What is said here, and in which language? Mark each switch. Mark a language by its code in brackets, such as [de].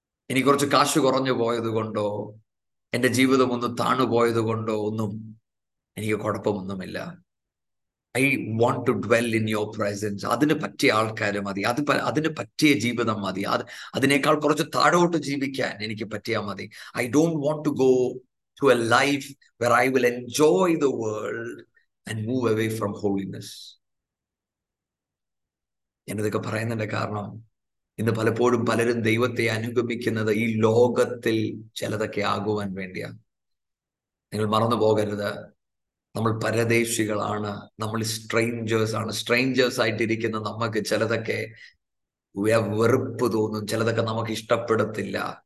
[ml] എനിക്ക് കുറച്ച് കാശ് കുറഞ്ഞു പോയത് കൊണ്ടോ എൻ്റെ ജീവിതം ഒന്ന് താണുപോയത് കൊണ്ടോ ഒന്നും എനിക്ക് കുഴപ്പമൊന്നുമില്ല. [en] I want to dwell in your presence. [ml] അതിന് പറ്റിയ ആൾക്കാർ മതി, അതിന് പറ്റിയ ജീവിതം മതി, അതിനേക്കാൾ കുറച്ച് താഴോട്ട് ജീവിക്കാൻ എനിക്ക് പറ്റിയാൽ മതി. I don't want to go [en] to a life where I will enjoy the world and move away from holiness. [ml] എന്നതൊക്കെ പറയുന്നതിന്റെ കാരണം, ഇന്ന് പലപ്പോഴും പലരും ദൈവത്തെ അനുഗമിക്കുന്നത് ഈ ലോകത്തിൽ ചിലതൊക്കെ ആകുവാൻ വേണ്ടിയാണ്. നിങ്ങൾ മറന്നു പോകരുത്, നമ്മൾ പരദേശികളാണ്, നമ്മൾ സ്ട്രേഞ്ചേഴ്സ് ആണ്. സ്ട്രേഞ്ചേഴ്സ് ആയിട്ടിരിക്കുന്ന നമുക്ക് ചിലതൊക്കെ വെറുപ്പ് തോന്നും, ചിലതൊക്കെ നമുക്ക് ഇഷ്ടപ്പെടത്തില്ല.